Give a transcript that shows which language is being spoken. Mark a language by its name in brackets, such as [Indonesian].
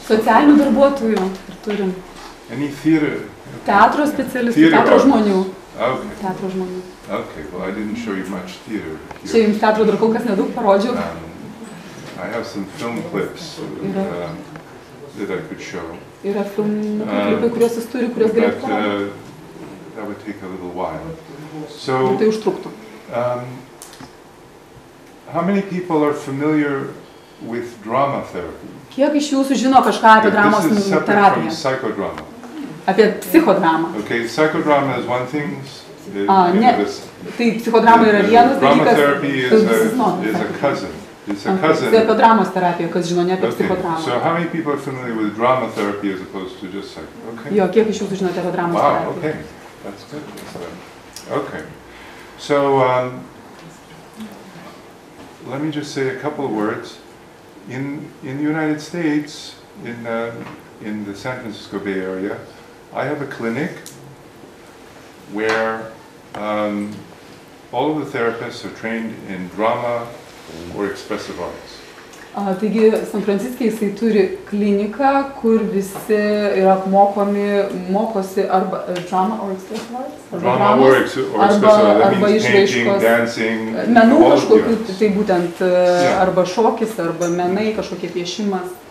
[Lithuanian] Socialinių darbuotojų ir turim. [English] Any theater? [Lithuanian] Teatro specialistų, teatro žmonių. Teatro žmonių. [English] Okay, well I didn't show you much theater here. [Lithuanian] Čia jums teatro dar kol kas nedaug parodžiau. [English] I have some film clips that I could show. [Lithuanian] Yra filmų klipai, kuriuos jis turi, kuriuos galėtų parodyti. [English] That would take a little while. So, [Lithuanian] tai užtruktų. [English] How many people are familiar with drama therapy. [Lithuanian] Kiek iš jūsų žino kažką apie dramos terapiją? [English] Psychodrama. [Lithuanian] Apie psichodramą. [English] Okay, psychodrama is one thing. [Lithuanian] Tai psichodrama yra vienas dalykas. Psichodramos terapija, kas žino ne apie psichodramą. [English] So how many people are familiar with drama therapy as opposed to just psych? Okay. [Lithuanian] Jo, kiek iš jūsų žino apie dramos terapiją? [English] Wow, okay. That's good. Okay. So let me just say a couple of words. In the United States, in the San Francisco Bay Area, I have a clinic where all of the therapists are trained in drama or expressive arts. [Lithuanian] Taigi, San Franciske jisai turi kliniką, kur visi yra apmokomi, mokosi arba [English] drama or expressive arts? Drama or expressive arts, that means painting, dancing, [Lithuanian] menų kažkokių, tai būtent, arba šokis, arba menai, kažkokie piešimas.